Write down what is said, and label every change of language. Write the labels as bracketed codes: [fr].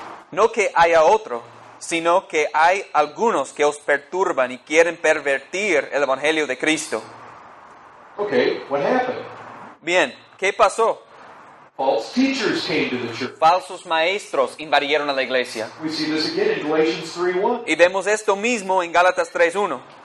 [es] No que haya otro, sino que hay algunos que os perturban y quieren pervertir el evangelio de Cristo. [en] Okay, what happened? [es] Bien, ¿qué pasó? [en] False teachers came to the church. [es] Falsos maestros invadieron a la iglesia. [en] We see this again in Galatians 3:1. [es] Y vemos esto mismo en Gálatas 3:1.